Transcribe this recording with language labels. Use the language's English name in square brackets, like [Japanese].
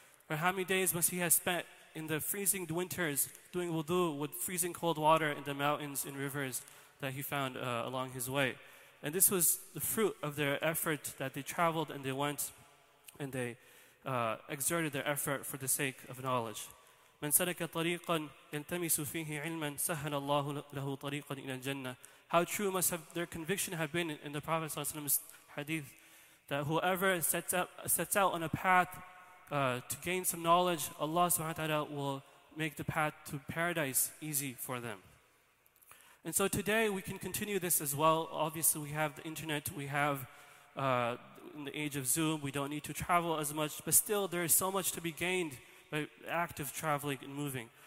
[English] Or how many days must he have spent in the freezing winters doing wudu with freezing cold water in the mountains and rivers that he found along his way? And this was the fruit of their effort, that they traveled and they went and they exerted their effort for the sake of knowledge. [Arabic] من سلك طريقا يلتمس فيه علما سهل الله له طريقا إلى الجنة. [English] How true must have their conviction have been in the Prophet ﷺ's hadith, that whoever sets out on a path to gain some knowledge, Allah subhanahu wa ta'ala will make the path to paradise easy for them. And so today we can continue this as well. Obviously we have the internet, we have in the age of Zoom, we don't need to travel as much, but still there is so much to be gained by active traveling and moving.